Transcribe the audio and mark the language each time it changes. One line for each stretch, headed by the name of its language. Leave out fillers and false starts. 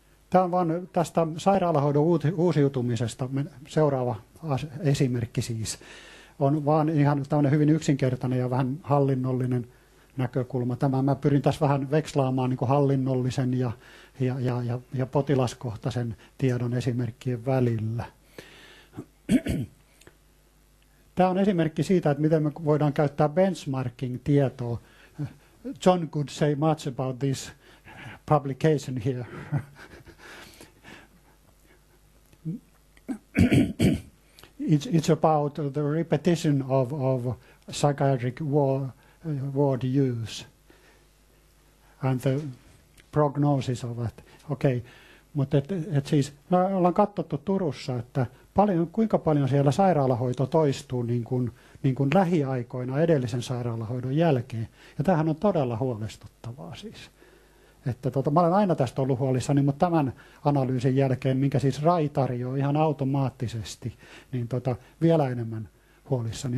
Finnish: Tämä on vain tästä sairaalahoidon uusiutumisesta. Seuraava esimerkki siis on vaan ihan tämmöinen hyvin yksinkertainen ja vähän hallinnollinen näkökulma. Tämä mä pyrin tässä vähän vekslaamaan niin kuin hallinnollisen ja potilaskohtaisen tiedon esimerkkien välillä. Tämä on esimerkki siitä, että miten me voidaan käyttää benchmarking-tietoa.
English: John could say much about this publication here. It's about the repetition of psychiatric ward use and the prognosis of it. Okay.
Finnish: Mutta et siis me ollaan katsottu Turussa, että kuinka paljon siellä sairaalahoito toistuu niin kuin lähiaikoina edellisen sairaalahoidon jälkeen. Ja tämähän on todella huolestuttavaa siis. Että mä olen aina tästä ollut huolissani, mutta tämän analyysin jälkeen, minkä siis RAI tarjoaa ihan automaattisesti, niin vielä enemmän huolissani.